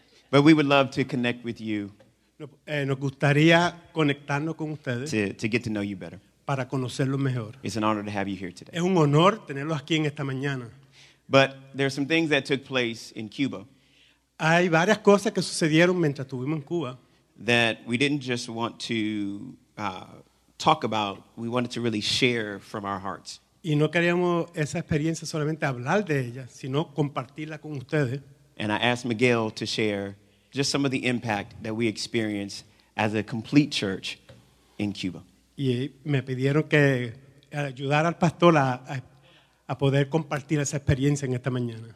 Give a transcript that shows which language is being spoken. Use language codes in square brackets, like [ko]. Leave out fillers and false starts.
[en] But we would love to connect with you. [es] Nos gustaría conectarnos con ustedes. [en] To get to know you better. [es] Para conocerlos mejor. [en] It's an honor to have you here today. [es] Es un honor tenerlos aquí en esta mañana. [en] But there are some things that took place in Cuba. [es] Hay varias cosas que sucedieron mientras estuvimos en Cuba. [en] That we didn't just want to talk about, we wanted to really share from our hearts. [es] Y no queríamos esa experiencia solamente hablar de ella, sino compartirla con ustedes. [en] And I asked Miguel to share just some of the impact that we experienced as a complete church in Cuba. [es] Y me pidieron que ayudara al pastor a poder compartir esa experiencia en esta mañana.